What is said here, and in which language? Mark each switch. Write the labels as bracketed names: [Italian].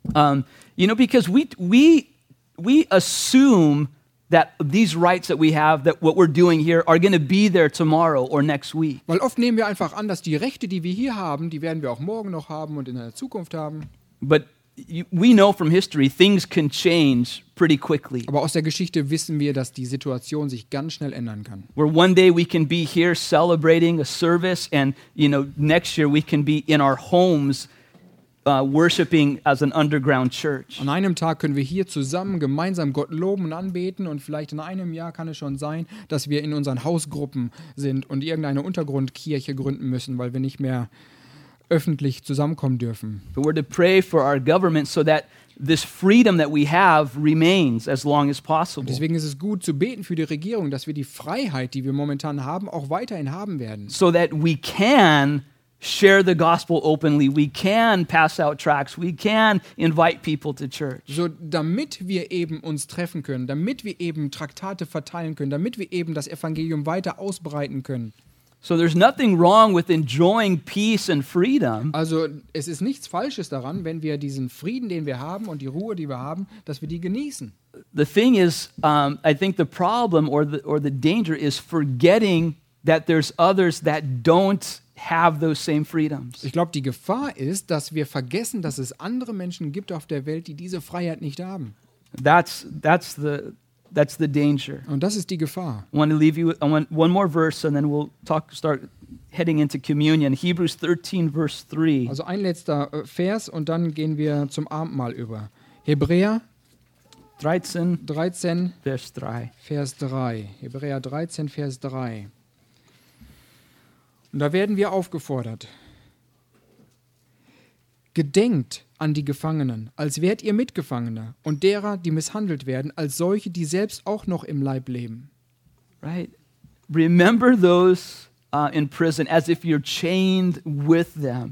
[English] You know, because we assume that these rights that we have, that what we're doing here, are going to be there tomorrow or next week. [German] Weil oft nehmen wir einfach an, dass die Rechte, die wir hier haben, die werden wir auch morgen noch haben und in der Zukunft haben. [English] But we know from history, things can change pretty quickly. [German] Aber aus der Geschichte wissen wir, dass die Situation sich ganz schnell ändern kann. [English] Where one day we can be here celebrating a service, and you know, next year we can be in our homes worshiping as an underground church. [German] An einem Tag können wir hier zusammen gemeinsam Gott loben und anbeten, und vielleicht in einem Jahr kann es schon sein, dass wir in unseren Hausgruppen sind und irgendeine Untergrundkirche gründen müssen, weil wir nicht mehr öffentlich zusammenkommen dürfen. [English] But we're to pray for our government so that this freedom that we have remains as long as possible. [German] Deswegen ist es gut zu beten für die Regierung, dass wir die Freiheit, die wir momentan haben, auch weiterhin haben werden. [English] So that we can share the gospel openly. We can pass out tracts. We can invite people to church. [German] So damit wir eben uns treffen können, damit wir eben Traktate verteilen können, damit wir eben das Evangelium weiter ausbreiten können. [English] So there's nothing wrong with enjoying peace and freedom. [German] Also es ist nichts Falsches daran, wenn wir diesen Frieden, den wir haben, und die Ruhe, die wir haben, dass wir die genießen. [English] The thing is, I think the problem or the danger is forgetting that there's others that don't have those same freedoms. [German] Ich glaube, die Gefahr ist, dass wir vergessen, dass es andere Menschen gibt auf der Welt, die diese Freiheit nicht haben. [English] That's the danger. [German] Und das ist die Gefahr. [English] I want to leave you with one more verse, and then we'll start heading into communion. Hebrews 13, verse 3. [German] Also ein letzter Vers, und dann gehen wir zum Abendmahl über. Hebräer 13, Vers 3. Vers 3. Hebräer 13, Vers 3. Und da werden wir aufgefordert. Gedenkt an die Gefangenen, als wärt ihr Mitgefangene, und derer, die misshandelt werden, als solche, die selbst auch noch im Leib leben. [English] Right. Remember those in prison, as if you're chained with them.